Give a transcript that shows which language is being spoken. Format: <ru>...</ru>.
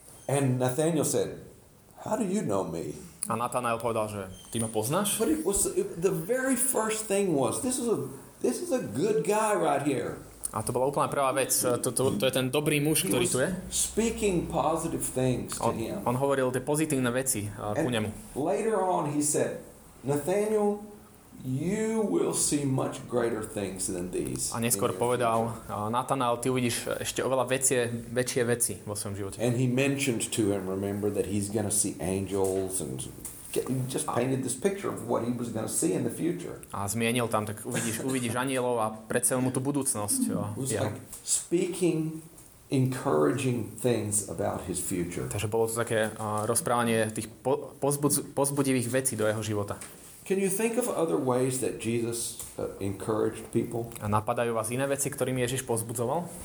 <en>And Nathaniel said, "How do you know me?"</en> <sk>A Nathanael povedal, že ty ma poznáš?</sk> <en>But it was, the very first thing was, this is a good guy right here.</en> <sk>A to bola úplná prvá vec. To je ten dobrý muž, ktorý tu je.</sk> <en>Speaking positive things to him.</en> <sk>On hovoril tie pozitívne veci ku nemu.</sk> <en>Later on he said, "Nathaniel, you will see much greater things than these."</en> <sk>A neskôr povedal, Nathanael, ty uvidíš ešte oveľa väčšie veci vo svojom živote.</sk> <en>And he mentioned to him, remember, that he's going to see angels and just painted this picture of what he was going to see in the future.</en> <sk>A zmienil tam, tak uvidíš anielov a predstavil mu tú budúcnosť.</sk> <en>Like speaking encouraging things about his future.</en> <sk>Takže bolo to také rozprávanie tých pozbudivých vecí do jeho života.</sk> <en>Can you think of other ways that Jesus encouraged people?</en> <sk>A napadajú vás iné veci, ktorými Ježiš povzbudzoval?</sk>